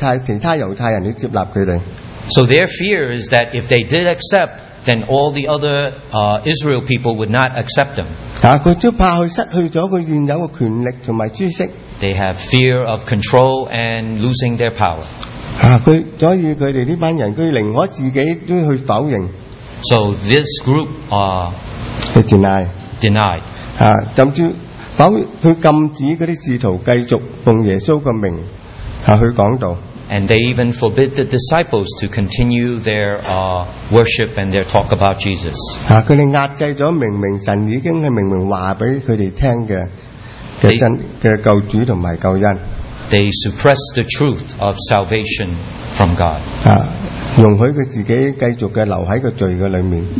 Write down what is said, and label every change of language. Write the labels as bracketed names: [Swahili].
[Cantonese] 因为怕神，佢唔敢去承认，因为佢自己都怕去承认嘅时候，佢会俾唔会俾犹太其他犹太人去接纳佢哋。 [English] So their fear is that if they did accept, then all the other Israel people would not accept them. [Cantonese] 佢都怕佢失去咗佢原有嘅权力同埋知识。 [English] They have fear of control and losing their power. [Cantonese] 所以佢哋呢班人，佢宁可自己都去否认。 [English] So this group denied. [Cantonese] 甚至佢禁止嗰啲使徒继续奉耶稣嘅名去讲道。 [English] And they even forbid the disciples to continue their worship and their talk about Jesus. [Cantonese] 佢哋压制咗明明神已经系明明话俾佢哋听嘅真嘅救主同埋救恩。 [English] they suppress the truth of salvation from God. [Cantonese] 容許佢自己繼續嘅留喺個罪嘅裏面。